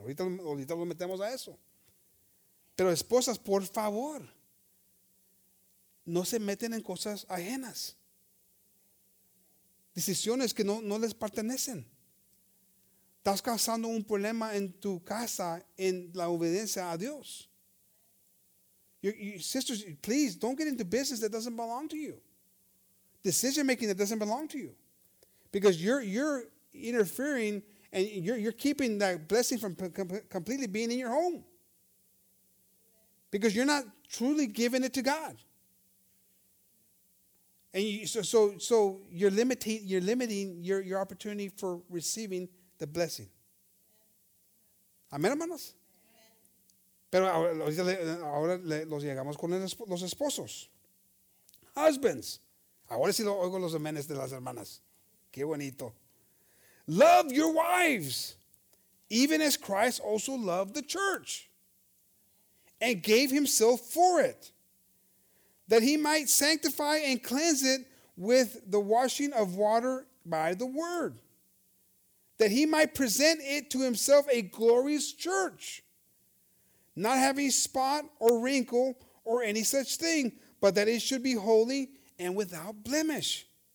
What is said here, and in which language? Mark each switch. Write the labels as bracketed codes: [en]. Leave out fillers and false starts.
[es] Ahorita lo metemos a eso. Pero esposas, por favor, no se meten en cosas ajenas. Decisiones que no les pertenecen. Estás causando un problema en tu casa, en la obediencia a Dios. [en] Sisters, please, don't get into business that doesn't belong to you. Decision making that doesn't belong to you. Because you're interfering and you're keeping that blessing from completely being in your home. Because you're not truly giving it to God. And you, so you're limiting your opportunity for receiving the blessing. [es] Amén, hermanos. Pero ahora los llegamos con los esposos. Husbands. Ahora sí lo oigo los amenes de las hermanas. Qué bonito. [en] Love your wives, even as Christ also loved the church and gave himself for it, that he might sanctify and cleanse it with the washing of water by the word, that he might present it to himself a glorious church, not having spot or wrinkle or any such thing, but that it should be holy and without blemish.